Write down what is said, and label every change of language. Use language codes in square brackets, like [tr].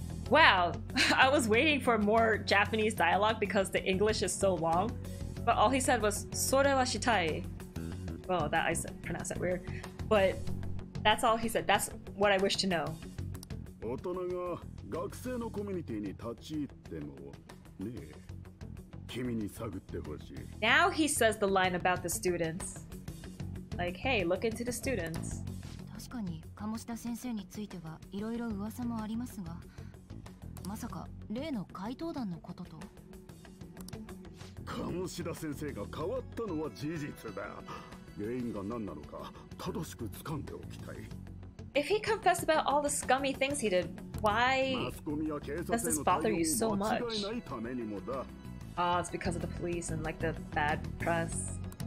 [en] Wow, I was waiting for more Japanese dialogue because the English is so long, but all he said was [ja] それはしたい。 [en] Well, that I said, pronounced that weird, but that's all he said. That's what I wish to know. [ja] 大人が学生のコミュニティに立ち入ってもねえ、君に探ってほしい。 [en] Now he says the line about the students. Like, hey, look into the students. [ja] 確かに鴨志田先生についてはいろいろ噂もありますが、まさか例の怪盗団のことと。鴨志田先生が変わったのは事実だ。原因が何なのか正しく掴んでおきたい。 [en] If he confessed about all the scummy things he did, why does this bother you so much? It's because of the police and like the bad press.